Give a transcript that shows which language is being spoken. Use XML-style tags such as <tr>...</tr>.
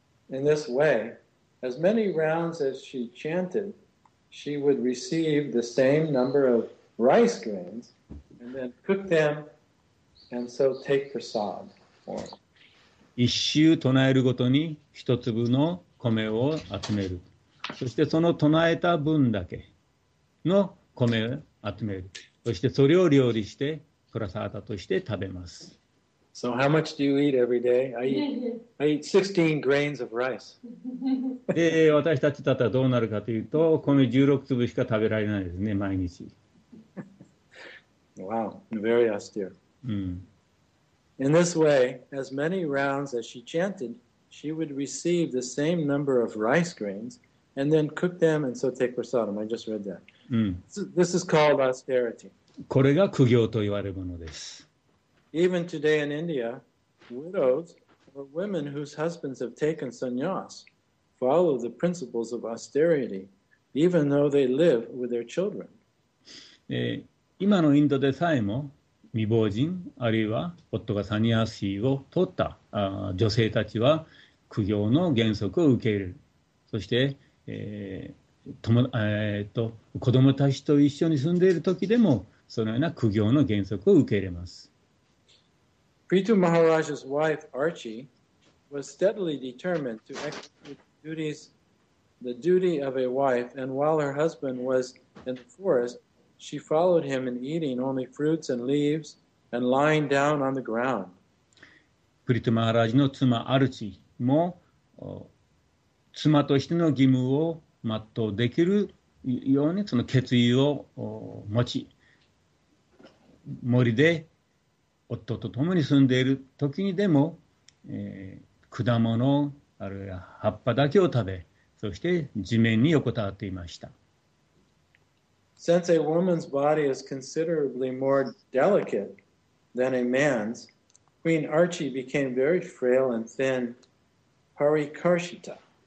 <en>In this way, as many rounds as she chanted, she would receive the same number of rice grains and then cook them and so take prasad.</en> <ja>一周唱えるごとに一粒の米を集める。そしてその唱えた分だけの米を集める。そしてそれを料理してプラサータとして食べます。</ja> <en>So how much do you eat every day? I eat 16 grains of rice.</en> <ja>で、私たちだったらどうなるかというと、米16粒しか食べられないですね、毎日。</ja> <en>Wow, very austere.、うん、 In this way, as many rounds as she chanted, she would receive the same number of rice grains and then cook them and so take prasadam. I just read that.、うん、 This is called austerity.</en> <ja>これが苦行と言われるものです。</ja> <en>Even today in India, widows or women whose husbands have taken sannyas follow the principles of austerity, even though they live with their children.</en> <ja>今のインドでさえも未亡人あるいは夫がサニアシを取った女性たちは苦行の原則を受け入れる。そして、子供たちと一緒に住んでいる時でもそのような苦行の原則を受け入れます。</ja> <en>Prithu Maharaj's wife Archie was steadily determined to execute the duty of a wife, and while her husband was in the forest, she followed him in eating only fruits and leaves and lying down on the ground.</en> <ja>Prithu Maharaj の妻アルチも妻としての義務を全うできるようにその決意を持ち、森で夫と共に住んでいる時にでも、果物あるいは葉っぱだけを食べ、そして地面に横たわっていました。</ja> <en>Since a woman's body is considerably more delicate than a man's, Queen Archie became very frail and thin, Parikarshita.</en>